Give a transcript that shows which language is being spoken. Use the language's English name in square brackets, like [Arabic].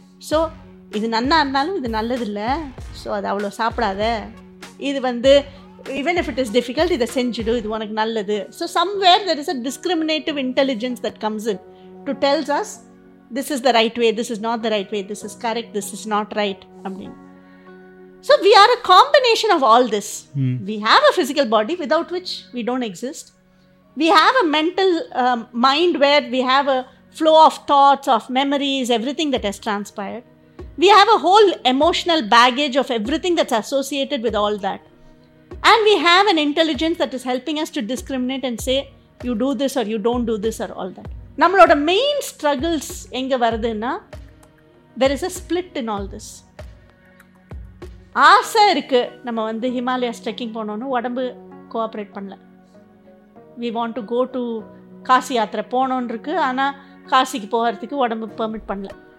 [Tamil] So இது நன்னா இருந்தாலும் இது நல்லது இல்லை, ஸோ அது அவ்வளோ சாப்பிடாத, இது வந்து இவன் [English] if it is difficult [Tamil] இதை செஞ்சிடு, இது உனக்கு நல்லது. [English] So somewhere there is a discriminative intelligence that comes in to tells us this is the right way, this is not the right way, this is correct, this is not right. So we are a combination of all this. We have a physical body without which we don't exist. We have a mental mind where we have a flow of thoughts, of memories, everything that has transpired. We have a whole emotional baggage of everything that's associated with all that. And we have an intelligence that is helping us to discriminate and say you do this or you don't do this or all that. [Tamil] நம்மளோட main struggles எங்கே வருதுன்னா, [English] There is a split in all this. [Tamil] ஆசை இருக்குது, நம்ம வந்து Himalayas trekking போனோன்னு உடம்பு cooperate பண்ணல. [English] we want to go to [Tamil] Kashi யாத்திரை போகணுன்னு இருக்குது, ஆனால் காசிக்கு போகிறதுக்கு உடம்பு பெர்மிட் பண்ணல.